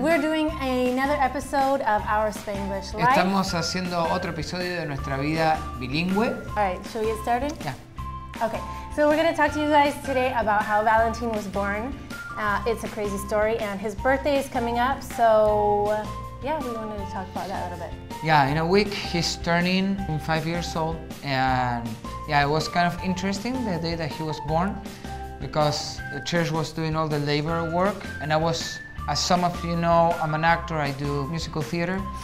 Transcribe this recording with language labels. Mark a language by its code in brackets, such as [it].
[en] We're doing another episode of our Spanglish life. [es] Estamos haciendo otro episodio de nuestra vida bilingüe. [en] All right, shall we get started? Yeah. Okay, so we're going to talk to you guys today about how Valentin was born. It's a crazy story, and his birthday is coming up, so yeah, we wanted to talk about that a little bit. Yeah, in a week he's turning 5 years old, and yeah, it was kind of interesting the day that he was born, because the church was doing all the labor work, and I was, as some of you know, I'm an actor, I do musical theater.